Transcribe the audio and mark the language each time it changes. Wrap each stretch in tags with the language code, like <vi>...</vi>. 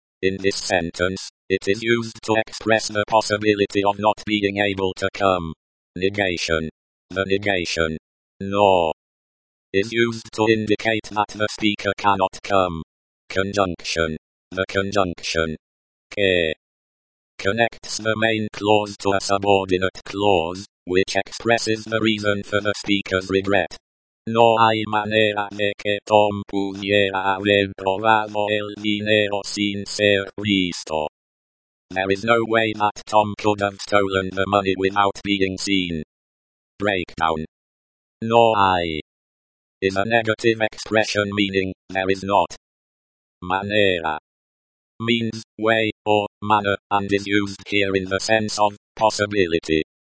<en>In this sentence, it is used to express the possibility of not being able to come. Negation. The negation. No. Is used to indicate that the speaker cannot come. Conjunction. The conjunction. Que. Connects the main clause to a subordinate clause, which expresses the reason for the speaker's regret.</en> <es>No hay manera de que Tom pudiera haber robado el dinero sin ser visto.</es> <en>There is no way that Tom could have stolen the money without being seen. Breakdown.</en> <es>No hay</es> <en>is a negative expression meaning, there is not. Manera means way or manner and is used here in the sense of possibility.</en>